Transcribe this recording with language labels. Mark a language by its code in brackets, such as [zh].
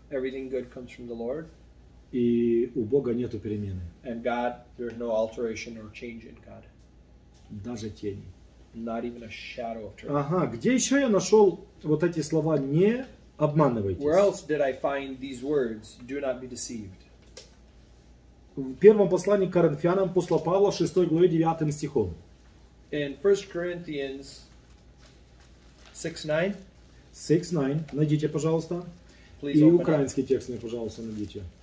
[en] Everything good comes from the Lord. [ru] И у Бога нету перемены. [en] And God, there's no alteration or change in God. [ru] Даже тени. [en] Not even a shadow of truth. [ru] Ага, где еще я нашел вот эти слова «не обманывайтесь»? [en] Where else did I find these words, do not be deceived? [ru] В первом послании к Коринфянам апостола Павла, 6 главе 9 стихом. [en] In 1 Corinthians 6:9. [ru] Найдите, пожалуйста. [en] Please [ru] и украинский текст мне, пожалуйста, найдите.